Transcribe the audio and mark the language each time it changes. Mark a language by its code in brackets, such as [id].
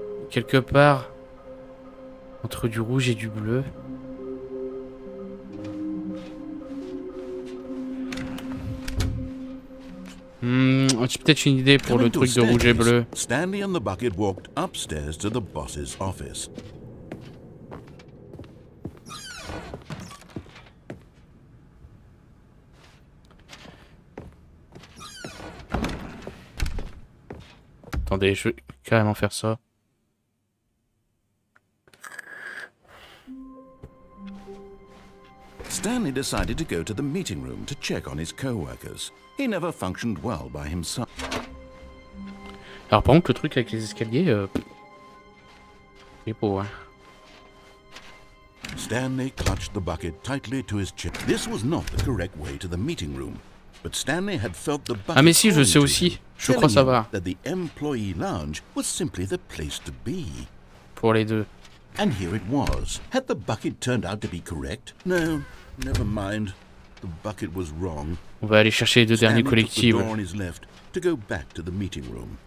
[fr] Quelque part entre du rouge et du bleu. Peut-être une idée pour le truc de rouge et bleu. [en] Stanley and the bucket walked upstairs to the boss's office. [fr] Attendez, je vais carrément faire ça. [en] Stanley decided to go to the meeting room to check on his co-workers. He never functioned well by himself. [fr] Alors, par contre, le truc avec les escaliers, c'est beau, hein. [en] Stanley clutched the bucket tightly to his chest. This was not the correct way to the meeting room. But Stanley had felt the [fr] ah mais si, je sais aussi, je crois savoir. [en] That the employee lounge was simply the place to be. [fr] Pour les deux. [en] And here it was. Had the bucket turned out to be correct? No, never mind. The bucket was wrong. [fr] On va aller chercher les deux [en] Stanley [fr] derniers collectifs. [en] Took the door on his left to go back to the meeting room.